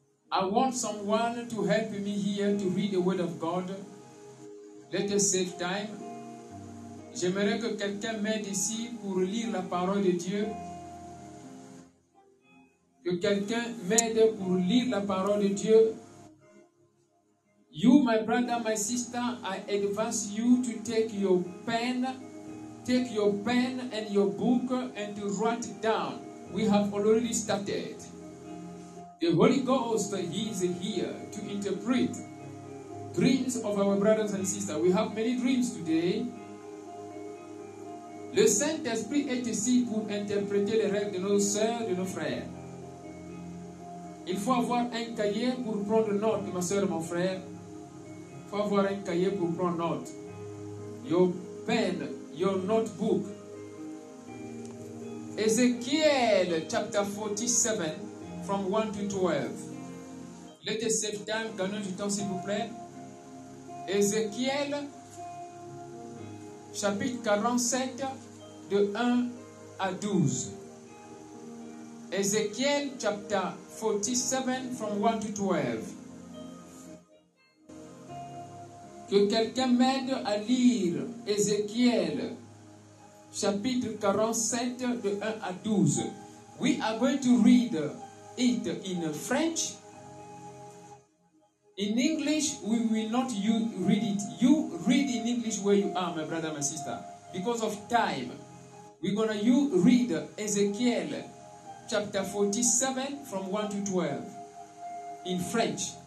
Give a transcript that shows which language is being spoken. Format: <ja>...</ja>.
<en>I want someone to help me here to read the word of God. Let us save time.</en> <fr>J'aimerais que quelqu'un m'aide ici pour lire la parole de Dieu. Que quelqu'un m'aide pour lire la parole de Dieu.</fr> <en>You, my brother, my sister, I advise you to take your pen and your book and to write it down. We have already started. The Holy Ghost is here to interpret dreams of our brothers and sisters. We have many dreams today.</en> <fr>Le Saint-Esprit est ici pour interpréter les rêves de nos sœurs, de nos frères. Il faut avoir un cahier pour prendre note, ma sœur, mon frère. Il faut avoir un cahier pour prendre note.</fr> <en>Your pen, your notebook. Ézéchiel, chapter 47. From 1 to 12. Let us save time,</en> <fr>gagnons du temps s'il vous plaît. Ézéchiel, chapitre 47, de 1 à 12.</fr> <en>Ézéchiel, chapter 47, from 1 to 12.</en> <fr>Que quelqu'un m'aide à lire Ézéchiel, chapitre 47, de 1 à 12.</fr> <en>We are going to read it in French, in English, we will not you read it. You read in English where you are, my brother, my sister. Because of time, we're gonna you read Ezekiel chapter 47 from 1 to 12 in French.</en>